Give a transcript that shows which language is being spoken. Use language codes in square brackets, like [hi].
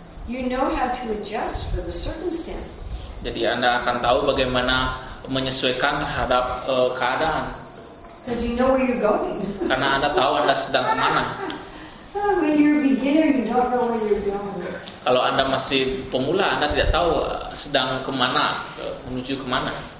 [en] You know how to adjust for the circumstances. [id] Jadi Anda akan tahu bagaimana menyesuaikan terhadap keadaan. [en] Because you know where you're going. [id] Karena Anda tahu Anda sedang kemana. [en] When you're a beginner, you don't know where you're going. [id] Kalau Anda masih pemula, Anda tidak tahu sedang kemana, menuju kemana.